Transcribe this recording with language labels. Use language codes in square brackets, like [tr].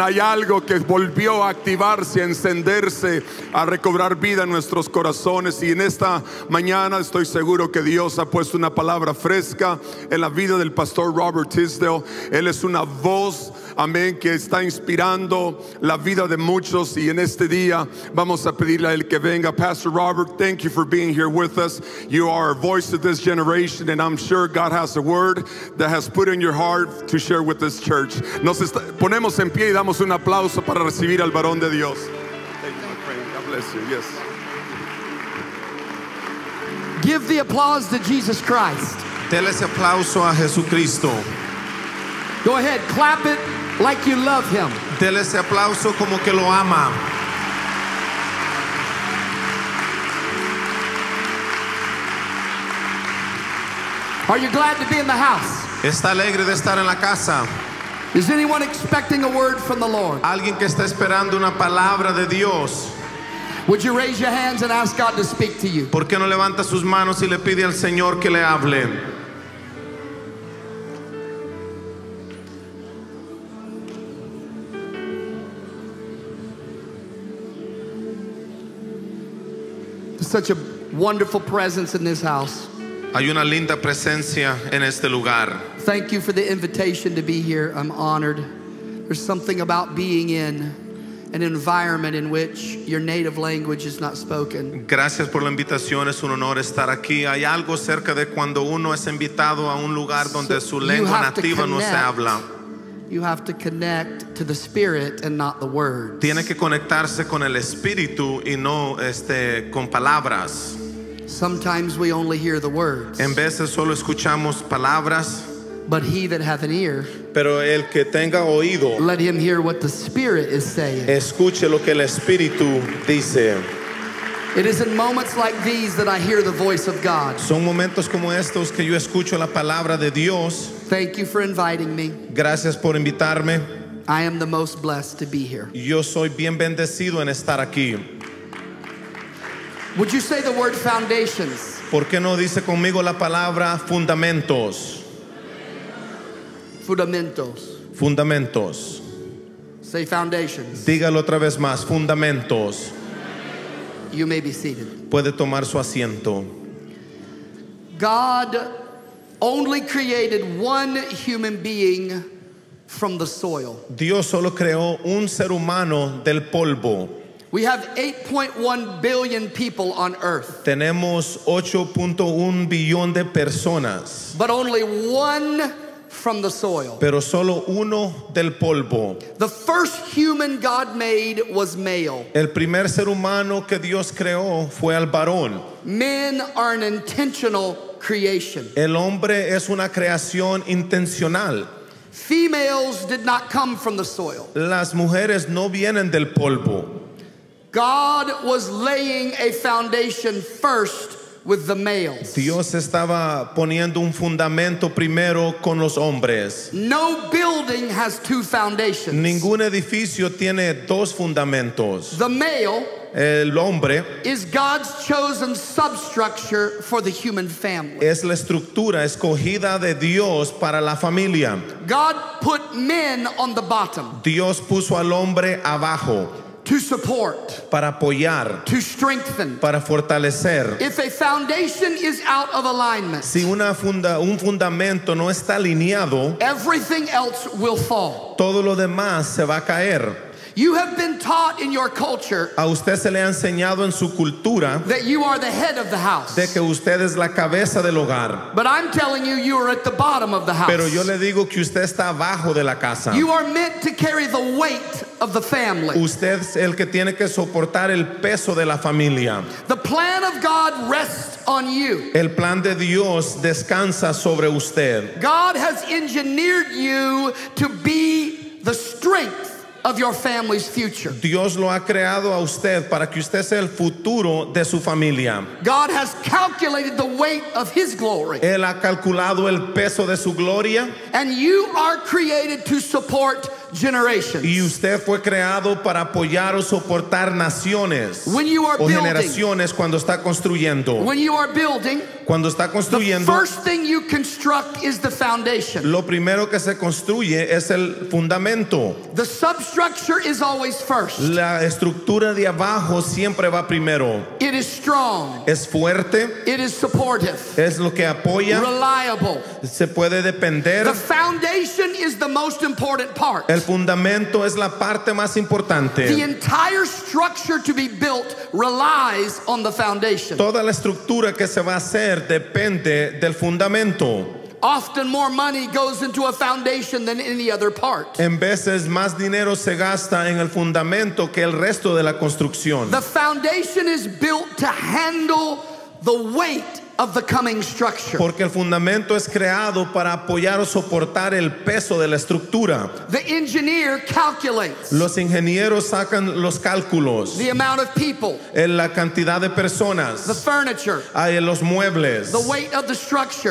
[es] Hay algo que volvió a activarse, a encenderse, a recobrar vida en nuestros corazones. Y en esta mañana estoy seguro que Dios ha puesto una palabra fresca en la vida del pastor Robert Tisdale. Él es una voz, amén, que está inspirando la vida de muchos. Y en este día vamos a pedirle a él que venga. [en] Pastor Robert, thank you for being here with us. You are a voice of this generation, and I'm sure God has a word that has put in your heart to share with this church. [es] Nos está, ponemos en pie y damos un aplauso para recibir al varón de Dios. [en] God bless you. Yes. Give the applause to Jesus Christ. [es] Dele ese aplauso a Jesucristo. [en] Go ahead, clap it like you love him. [es] Dele ese aplauso como que lo ama. [en] Are you glad to be in the house? [es] ¿Está alegre de estar en la casa? [en] Is anyone expecting a word from the Lord? [es] ¿Alguien que está esperando una palabra de Dios? [en] Would you raise your hands and ask God to speak to you? [es] ¿Por qué no levanta sus manos y le pide al Señor que le hable? [en] Such a wonderful presence in this house. [es] Hay una linda presencia en este lugar. [en] Thank you for the invitation to be here. I'm honored. There's something about being in an environment in which your native language is not spoken. [es] Gracias por la invitación. Es un honor estar aquí. Hay algo cerca de cuando uno es invitado a un lugar donde su lengua nativa no se habla. [en] You have to connect to the spirit and not the words. [es] Tiene que conectarse con el espíritu y no con palabras. [en] Sometimes we only hear the words. [es] En veces solo escuchamos palabras. [en] But he that hath an ear, [es] pero el que tenga oído, [en] let him hear what the spirit is saying. [es] Escuche lo que el espíritu dice. [en] It is in moments like these that I hear the voice of God. [es] Son momentos como estos que yo escucho la palabra de Dios. [en] Thank you for inviting me. [es] Gracias por invitarme. [en] I am the most blessed to be here. [es] Yo soy bien bendecido en estar aquí. [en] Would you say the word foundations? [es] ¿Por qué no dice conmigo la palabra fundamentos? Fundamentos. Fundamentos. [en] Say foundations. [es] Dígalo otra vez más, fundamentos. [en] You may be seated. [es] Puede tomar su asiento. [en] God only created one human being from the soil. [es] Dios solo creó un ser humano del polvo. [en] We have 8.1 billion people on earth. [es] Tenemos 8.1 billón de personas. [en] But only one from the soil. [es] Pero solo uno del polvo. [en] The first human God made was male. [es] El primer ser humano que Dios creó fue al varón. [en] Men are an intentional creation. [es] El hombre es una creación intencional. [en] Females did not come from the soil. [es] Las mujeres no vienen del polvo. [en] God was laying a foundation first with the males. [es] Dios estaba poniendo un fundamento primero con los hombres. [en] No building has two foundations. [es] Ningún edificio tiene dos fundamentos. [en] The male, [es] el hombre, [en] is God's chosen substructure for the human family. [es] Es la estructura escogida de Dios para la familia. [en] God put men on the bottom. [es] Dios puso al hombre abajo. [en] To support, [es] para apoyar, [en] to strengthen, [es] para fortalecer. [en] If a foundation is out of alignment, [es] si un fundamento no está alineado, [en] everything else will fall. [es] Todo lo demás se va a caer. [en] You have been taught in your culture, [es] a usted se le ha enseñado en su cultura, [en] that you are the head of the house, [es] de que usted es la cabeza del hogar. [en] But I'm telling you, you are at the bottom of the house. [es] Pero yo le digo que usted está abajo de la casa. [en] You are meant to carry the weight of the family. [es] Usted es el que tiene que soportar el peso de la familia. [en] The plan of God rests on you. [es] El plan de Dios descansa sobre usted. [en] God has engineered you to be the strength of your family's future. [es] Dios lo ha creado a usted para que usted sea el futuro de su familia. [en] God has calculated the weight of his glory. [es] Él ha calculado el peso de su gloria. [en] And you are created to support generations. [es] Y usted fue creado para apoyar o soportar naciones. [en] When you are building, [es] o generaciones cuando está construyendo. [en] When you are building, [es] cuando está construyendo. [en] The first thing you construct is the foundation. [es] Lo primero que se construye es el fundamento. [en] The substructure is always first. [es] La estructura de abajo siempre va primero. [en] It is strong. [es] Es fuerte. [en] It is supportive. [es] Es lo que apoya. [en] Reliable. [es] Se puede depender. [en] The foundation is the most important part. [es] El fundamento es la parte más importante. [en] The entire structure to be built relies on the foundation. [es] Toda la estructura que se va a hacer depende del fundamento. [en] Often more money goes into a foundation than any other part. [es] En veces más dinero se gasta en el fundamento que el resto de la construcción. [en] The foundation is built to handle the weight of the coming structure. [es] Porque el fundamento es creado para apoyar o soportar el peso de la estructura. [en] The engineer calculates. [es] Los ingenieros sacan los cálculos. [en] The amount of people. [es] En la cantidad de personas. [en] The furniture. [es] En los muebles. [en] The weight of the structure.